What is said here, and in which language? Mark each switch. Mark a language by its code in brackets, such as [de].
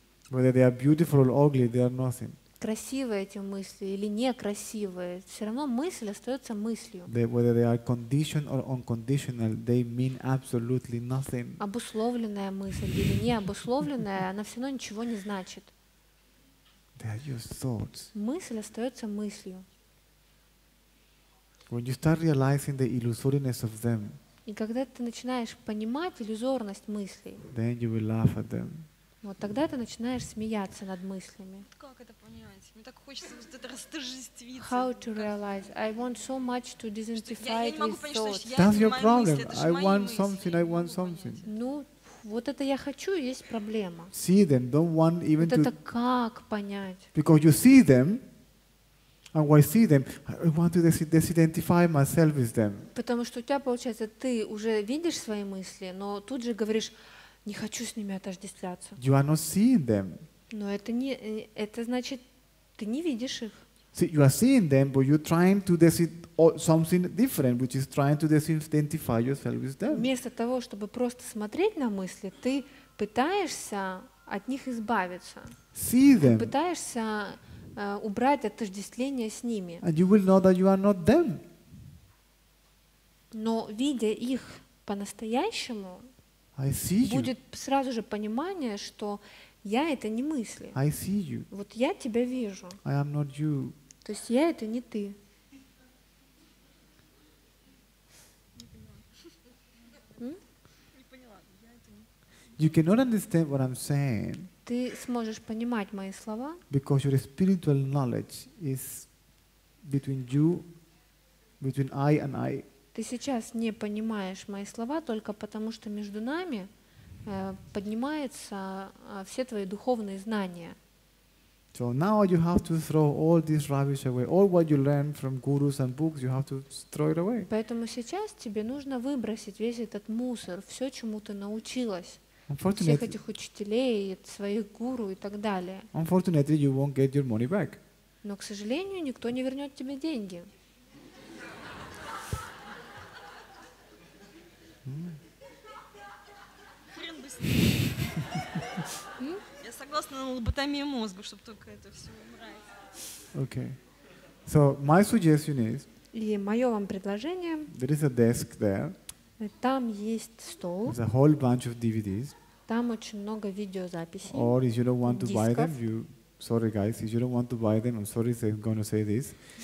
[en] Whether they are beautiful or ugly, they are nothing. [ru] Красивые эти мысли или некрасивые, все равно мысль остается мыслью. [en] Whether they are conditioned or unconditional, they mean absolutely nothing. [ru] Обусловленная мысль или необусловленная, она все равно ничего не значит. [en] They are your thoughts. [ru] Мысль остается мыслью. [en] When you start realizing the illusoriness of them, [ru] и когда ты начинаешь понимать иллюзорность мыслей, [en] then you will laugh at them. [ru] Вот тогда ты начинаешь смеяться над мыслями. Как это понять? Мне так хочется вот это растожествиться. [en] How to realize? I want so much to identify with thoughts. [ru] Что, [en] that's your problem. [ru] Мысли, [en] I want [ru] мысли, [en] something. I want something. [ru] Ну, вот это я хочу, есть проблема. [en] See them. Don't want even [ru] вот [en] to. [ru] Это как понять? [en] Because you see them. And when I see them, I want to disidentify myself with them. [ru] Потому что у тебя получается, ты уже видишь свои мысли, но тут же говоришь. Не хочу с ними отождествляться. [en] You are not seeing them. [ru] Но это не, это значит, ты не видишь их. [en] See, you are seeing them, but you're trying to something different, which is trying to disidentify yourself with them. [ru] Вместо того, чтобы просто смотреть на мысли, ты пытаешься от них избавиться. [en] See them. [ru] Ты пытаешься убрать отождествление с ними. [en] And you will know that you are not them. [ru] Но видя их по-настоящему. [en] I see you. [ru] Будет сразу же понимание, что я это не мысли. [en] I see you. [ru] Вот я тебя вижу. [en] I am not you. [ru] То есть я это не ты. [en] You cannot understand what I'm saying. [ru] Ты сможешь понимать мои слова? [en] Because your spiritual knowledge is between you, between I and I. [ru] Ты сейчас не понимаешь мои слова только потому, что между нами поднимаются все твои духовные знания. [en] So now you have to throw all this rubbish away. All what you learn from gurus and books, you have to throw it away. [ru] Поэтому сейчас тебе нужно выбросить весь этот мусор, все, чему ты научилась. [en] Unfortunately, [ru] всех этих учителей, своих гуру и так далее. [en] Unfortunately, you won't get your money back. [ru] Но, к сожалению, никто не вернет тебе деньги. Хрен бы с ним. Я согласна на лоботомию мозга, чтобы только это все убрать. [en] Okay. So my suggestion is. [ru] И мое вам предложение. [en] There is a desk there. [ru] Там есть стол. [en] There's a whole bunch of DVDs. [ru] Там очень много видеозаписей. [en] Or if you don't want to buy them, you. Sorry guys, if you don't want to buy them, I'm sorry, I'm going to say this.